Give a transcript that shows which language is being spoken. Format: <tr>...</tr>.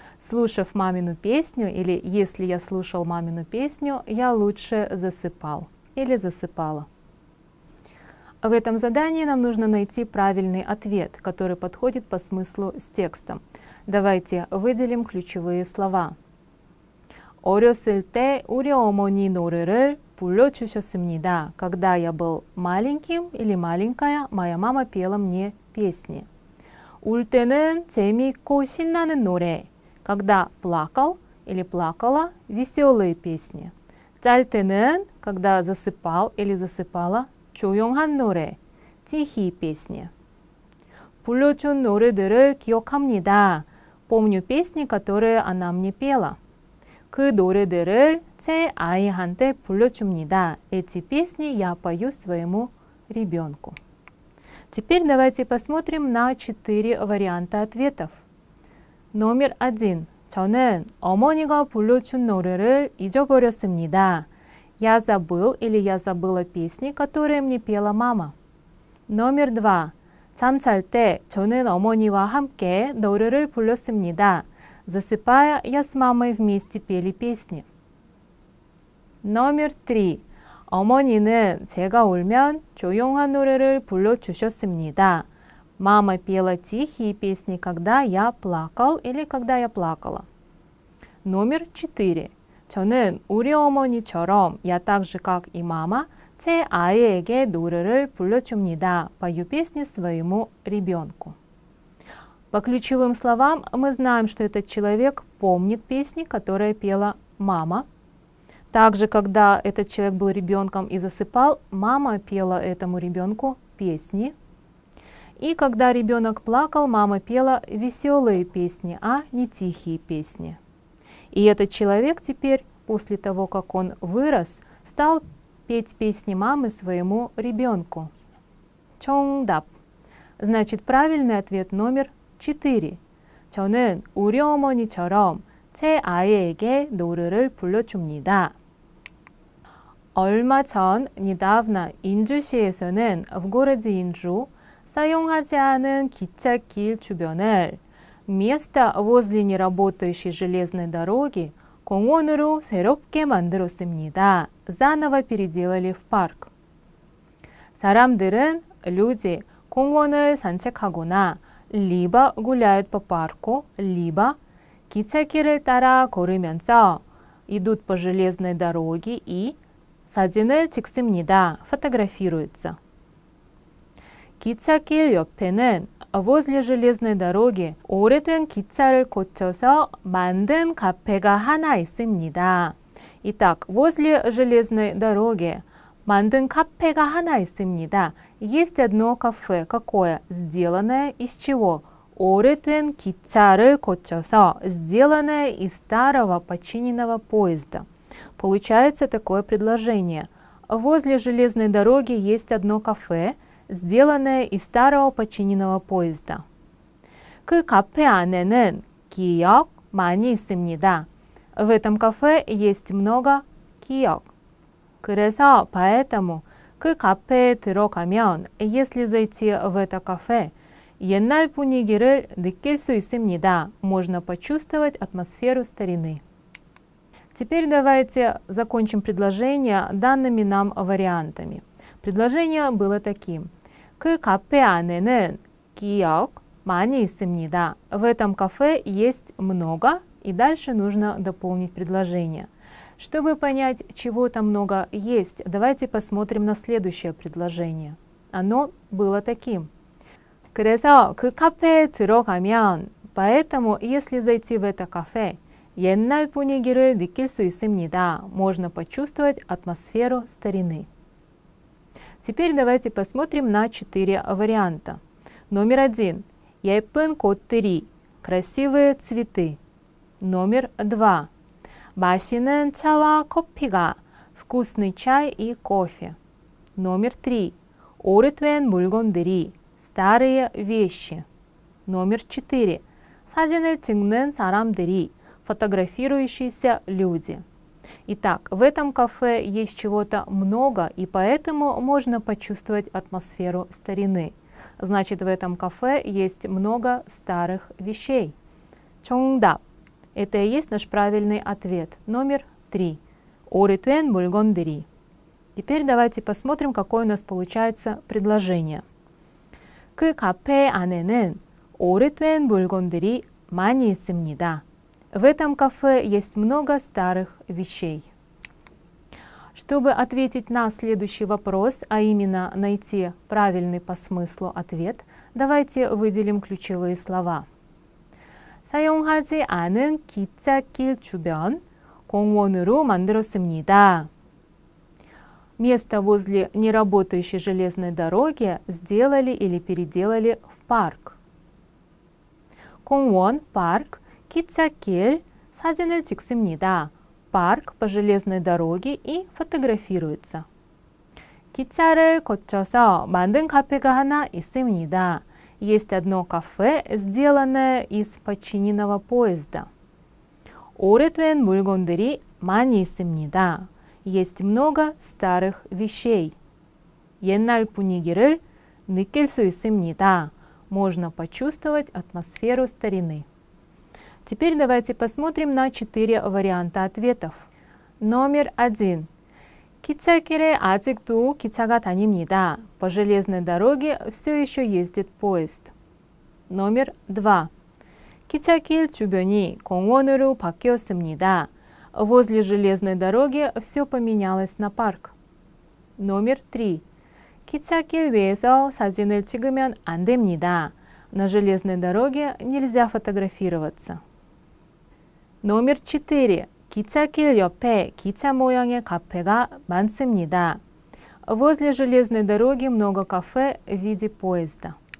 <ru>Слушав мамину песню или если я слушал мамину песню, я лучше засыпал или засыпала. В этом задании нам нужно найти правильный ответ, который подходит по смыслу с текстом. Давайте выделим ключевые слова.</ru> <ko>어렸을 때 우리 어머니 노래를 불러주셨습니다.</ko> <ru>Когда я был маленьким или маленькая, моя мама пела мне песни.</ru> <ko>울 때는 재미있고 신나는 노래.</ko> <ru>Когда плакал или плакала, веселые песни.</ru> <ko>짤 때는,</ko> <ru>когда засыпал или засыпала,</ru> <ko>조용한 노래.</ko> <ru>Тихие песни.</ru> <ko>불러준 노래들을 기억합니다.</ko> <ru>Помню песни, которые она мне пела.</ru> <ko>그 노래들을 제 아이한테 불러줍니다.</ko> <ru>Эти песни я пою своему ребенку. Теперь давайте посмотрим на четыре варианта ответов. Номер один.</ru> <ko>저는 어머니가 불러준 노래를 잊어버렸습니다.</ko> <ru>Я забыл или я забыла песни, которые мне пела мама. Номер два.</ru> <ko>잠 잘 때 저는 어머니와 함께 노래를 불렀습니다.</ko> <ru>Засыпая, я с мамой вместе пели песни. Номер три.</ru> <ko>어머니는 제가 울면 조용한 노래를 불러주셨습니다.</ko> <ru>Мама пела тихие песни, когда я плакал или когда я плакала. Номер четыре.</ru> <ko>저는 우리 어머니처럼,</ko> <ru>я так же, как и мама,</ru> <ko>제 아이에게 노래를 불러줍니다.</ko> <ru>Пою песни своему ребенку. По ключевым словам мы знаем, что этот человек помнит песни, которые пела мама. Также, когда этот человек был ребенком и засыпал, мама пела этому ребенку песни. И когда ребенок плакал, мама пела веселые песни, а не тихие песни. И этот человек теперь, после того, как он вырос, стал петь песни мамы своему ребенку. Чонгдап. Значит, правильный ответ номер 4.</ru> <ko>저는 우리 어머니처럼 제 아이에게 노래를 불러줍니다. 얼마 전,</ko> <ru>недавно,</ru> <ko>인주시에서는</ko> <ru>в городе Инджу</ru> <ko>사용하지 않은 기찻길 주변을</ko> <ru>место возле неработающей железной дороги</ru> <ko>공원으로 새롭게 만들었습니다.</ko> <ru>Заново переделали в парк.</ru> <ko>사람들은,</ko> <ru>люди,</ru> <ko>공원을 산책하거나</ko> <ru>либо гуляют по парку, либо</ru> <ko>기찻길을 따라 걸으면서</ko> <ru>идут по железной дороге и</ru> <ko>사진을 찍습니다.</ko> <ru>Фотографируются.</ru> <ko>기차길 옆에는</ko> <ru>возле железной дороги</ru> <ko>오래된 기차를 고쳐서 만든 카페가 하나 있습니다.</ko> <ru>Итак, возле железной дороги</ru> <ko>만든 카페가 하나 있습니다.</ko> <ru>Есть одно кафе. Какое? Сделанное из чего?</ru> <ko>오래된 기차를 고쳐서</ko> <ru>сделанное из старого починенного поезда. Получается такое предложение. Возле железной дороги есть одно кафе, сделанное из старого починенного поезда.</ru> <ko>그 카페 안에는 기억 많이 있습니다.</ko> <ru>В этом кафе есть много 기억.</ru> <ko>그래서</ko> <ru>поэтому</ru> <ko>그 카페에 들어가면</ko> <ru>если зайти в это кафе,</ru> <ko>옛날 분위기를 느낄 수 있습니다.</ko> <ru>Можно почувствовать атмосферу старины. Теперь давайте закончим предложение данными нам вариантами. Предложение было таким.</ru> <ko>그 카페 안에는 기억 많이 있습니다.</ko> <ru>В этом кафе есть много. И дальше нужно дополнить предложение. Чтобы понять, чего там много есть, давайте посмотрим на следующее предложение. Оно было таким.</ru> <ko>그래서 그 카페에 들어가면,</ko> <ru>поэтому, если зайти в это кафе,</ru> <ko>옛날 분위기를 느낄 수 있습니다.</ko> <ru>Можно почувствовать атмосферу старины. Теперь давайте посмотрим на 4 варианта. Номер 1.</ru> <ko>예쁜 꽃들이.</ko> <ru>Красивые цветы. Номер 2.</ru> <ko>맛있는 차와 커피가.</ko> <ru>Вкусный чай и кофе. Номер 3.</ru> <ko>오래된 물건들이.</ko> <ru>Старые вещи. Номер 4.</ru> <ko>사진을 찍는 사람들이.</ko> <ru>Фотографирующиеся люди. Итак, в этом кафе есть чего-то много, и поэтому можно почувствовать атмосферу старины. Значит, в этом кафе есть много старых вещей.</ru> <ko>정답.</ko> <ru>Это и есть наш правильный ответ. Номер 3.</ru> <ko>오래된 물건들이.</ko> <ru>Теперь давайте посмотрим, какое у нас получается предложение.</ru> <ko>그 카페 안에는 오래된 물건들이 많이 있습니다.</ko> <ru>В этом кафе есть много старых вещей. Чтобы ответить на следующий вопрос, а именно найти правильный по смыслу ответ, давайте выделим ключевые слова.</ru> <ko>사용하지 않은 기찻길 주변 공원으로 만들었습니다.</ko> <ru>Место возле неработающей железной дороги сделали или переделали в парк.</ru> <ko>공원,</ko> <ru>парк.</ru> <ko>기차길, 사진을 찍습니다.</ko> <ru>Парк по железной дороге и фотографируется.</ru> <ko>기차를 거쳐서 만든 카페가 하나 있습니다.</ko> <ru>Есть одно кафе, сделанное из починенного поезда.</ru> <ko>오래된 물건들이 많이 있습니다.</ko> <ru>Есть много старых вещей.</ru> <ko>옛날 분위기를 느낄 수 있습니다.</ko> <ru>Можно почувствовать атмосферу старины. Теперь давайте посмотрим на 4 варианта ответов. Номер 1.</ru> <ko>기차길에 아직도 기차가 다닙니다.</ko> <ru>По железной дороге все еще ездит поезд. Номер 2.</ru> <ko>기차길 주변이 공원으로 바뀌었습니다.</ko> <ru>Возле железной дороги все поменялось на парк. Номер 3.</ru> <ko>기차길 외에서 사진을 찍으면 안 됩니다.</ko> <ru>На железной дороге нельзя фотографироваться. Номер 4.</ru> <ko>기차길 옆에 기차 모양의 카페가 많습니다.</ko> <ru>Возле железной дороги много кафе в виде поезда.</ru>